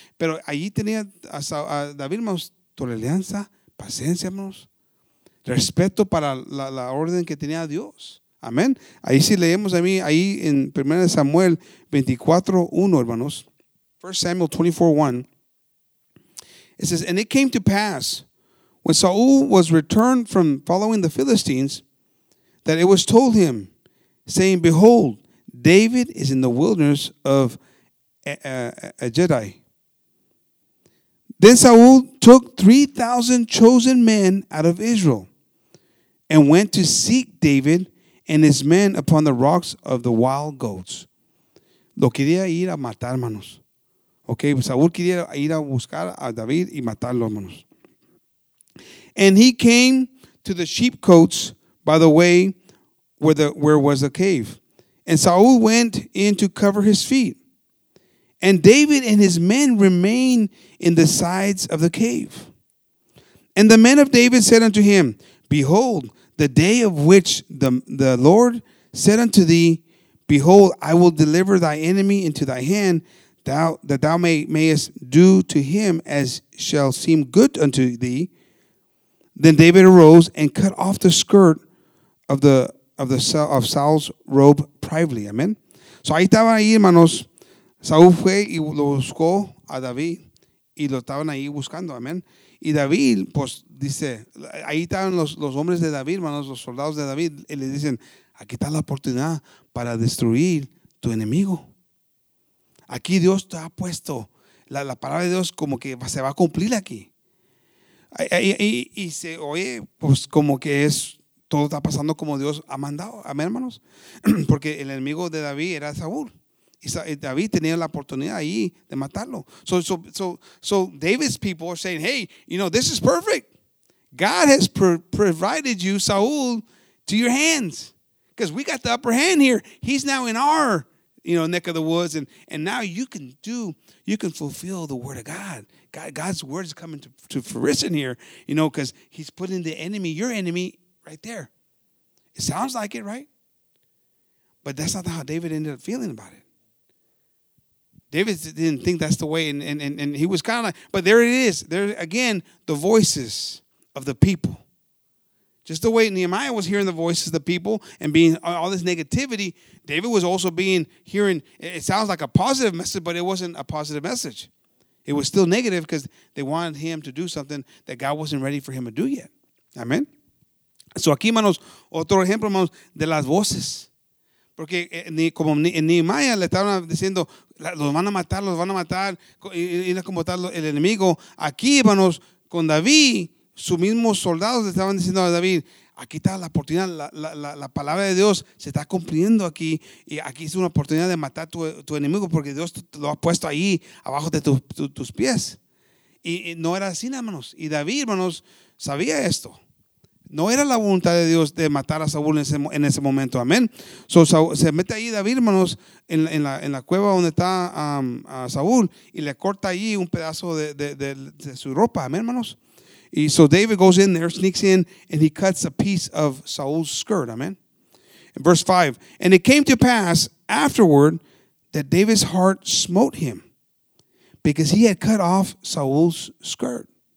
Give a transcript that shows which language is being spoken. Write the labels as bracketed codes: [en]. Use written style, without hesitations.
[es] Pero allí tenía a David, hermanos, tolerancia, paciencia, hermanos. Respeto para la orden que tenía Dios. Amén. Ahí sí leemos a mí, ahí en 1 Samuel 24:1, hermanos. [en] 1 Samuel 24:1. It says, and it came to pass, when Saul was returned from following the Philistines, that it was told him, saying, behold, David is in the wilderness of Jedi. Then Saul took 3,000 chosen men out of Israel, and went to seek David and his men upon the rocks of the wild goats. [es] Lo quería ir a matar, hermanos. Okay, Saúl quería ir a buscar a David y matarlo, hermanos. [en] And he came to the sheepcotes by the way where was a cave. And Saúl went in to cover his feet. And David and his men remained in the sides of the cave. And the men of David said unto him, behold, the day of which the Lord said unto thee, behold, I will deliver thy enemy into thy hand, that thou mayest do to him as shall seem good unto thee. Then David arose and cut off the skirt of Saul's robe privately. [es] Amen. So ahí estaban ahí, hermanos. Saúl fue y lo buscó a David y lo estaban ahí buscando. Amen. Y David, pues, dice, ahí estaban los hombres de David, hermanos, los soldados de David, y le dicen, aquí está la oportunidad para destruir tu enemigo. Aquí Dios te ha puesto, la palabra de Dios como que se va a cumplir aquí. Y se oye, pues, como que es, todo está pasando como Dios ha mandado, amén, hermanos. Porque el enemigo de David era Saúl. Y David tenía la oportunidad ahí de matarlo. [en] So David's people are saying, hey, you know, this is perfect. God has provided you, Saul, to your hands. Because we got the upper hand here. He's now in our you know, neck of the woods. And now you can do, you can fulfill the word of God. God's word is coming to fruition here, you know, because he's putting the enemy, your enemy, right there. It sounds like it, right? But that's not how David ended up feeling about it. David didn't think that's the way, and he was kind of like, but there it is. There, again, the voices of the people. Just the way Nehemiah was hearing the voices of the people and being all this negativity, David was also being hearing, it sounds like a positive message, but it wasn't a positive message. It was still negative because they wanted him to do something that God wasn't ready for him to do yet. Amen. [es] So aquí, manos, otro ejemplo, manos, de las voces. Porque como en Nehemiah le estaban diciendo, los van a matar, los van a matar, y a combatir el enemigo. Aquí, manos, con David, sus mismos soldados le estaban diciendo a David, aquí está la oportunidad, la palabra de Dios se está cumpliendo aquí, y aquí es una oportunidad de matar tu enemigo, porque Dios te lo ha puesto ahí, abajo de tus pies. Y no era así, hermanos. Y David, hermanos, sabía esto. No era la voluntad de Dios de matar a Saúl en ese momento. Amén. So, se mete ahí David, hermanos, en la cueva donde está a Saúl, y le corta ahí un pedazo de su ropa. Amén, hermanos. [en] Y so David goes in there, sneaks in, and he cuts a piece of Saul's skirt. Amen. In verse 5, and it came to pass afterward that David's heart smote him because he had cut off Saul's skirt.